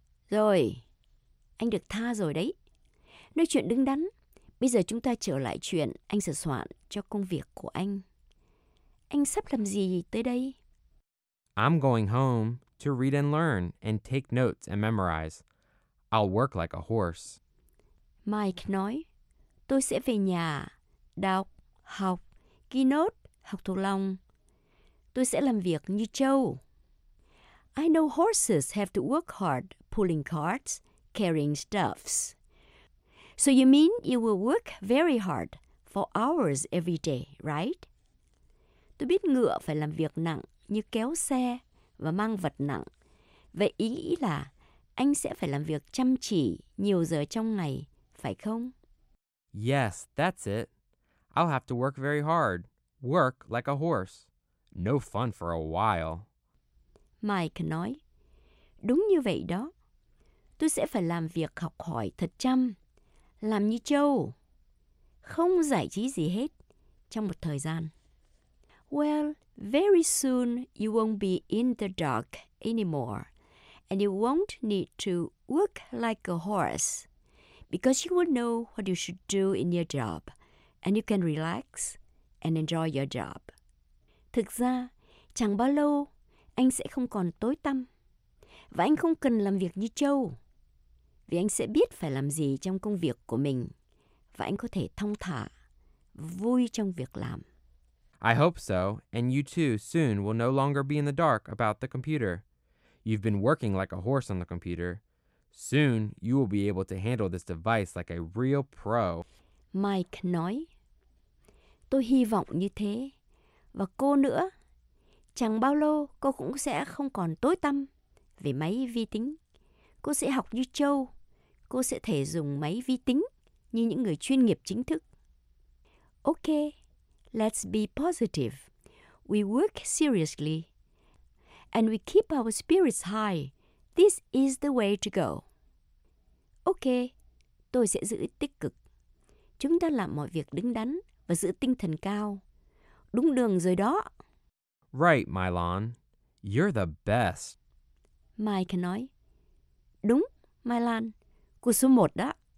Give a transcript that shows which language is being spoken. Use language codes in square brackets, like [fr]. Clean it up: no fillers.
[vi] Rồi, anh được tha rồi đấy. Nói chuyện đứng đắn. Bây giờ chúng ta trở lại chuyện anh sửa soạn cho công việc của anh. Anh sắp làm gì tới đây? [en] I'm going home to read and learn and take notes and memorize. I'll work like a horse. [vi] Mike nói, tôi sẽ về nhà, đọc, học, ghi nốt, học thuộc lòng. Tôi sẽ làm việc như trâu. [en] I know horses have to work hard pulling carts, carrying stuffs. So you mean you will work very hard for hours every day, right? [vi] Tôi biết ngựa phải làm việc nặng như kéo xe và mang vật nặng. Vậy ý nghĩ là anh sẽ phải làm việc chăm chỉ nhiều giờ trong ngày, phải không? [en] Yes, that's it. I'll have to work very hard. Work like a horse. No fun for a while. [vi] Mike nói, đúng như vậy đó. Tôi sẽ phải làm việc học hỏi thật chăm, làm như trâu, không giải trí gì hết trong một thời gian. [en] Well, very soon you won't be in the dark anymore, and you won't need to work like a horse, because you will know what you should do in your job, and you can relax and enjoy your job. [vi] Thực ra, chẳng bao lâu, anh sẽ không còn tối tăm. Và anh không cần làm việc như trâu. Vì anh sẽ biết phải làm gì trong công việc của mình. Và anh có thể thong thả, vui trong việc làm. [en] I hope so. And you too soon will no longer be in the dark about the computer. You've been working like a horse on the computer. Soon you will be able to handle this device like a real pro. [vi] Mike nói, tôi hy vọng như thế. Và cô nữa. Chẳng bao lâu cô cũng sẽ không còn tối tăm về máy vi tính. Cô sẽ học như trâu. Cô sẽ thể dùng máy vi tính như những người chuyên nghiệp chính thức. [en] Okay, let's be positive. We work seriously. and we keep our spirits high, this is the way to go. [vi] Ok, tôi sẽ giữ tích cực. Chúng ta làm mọi việc đứng đắn và giữ tinh thần cao. Đúng đường rồi đó. [en] Right, Mylon. You're the best. [vi] Mike nói. Đúng, Mylon. Cô số một đó.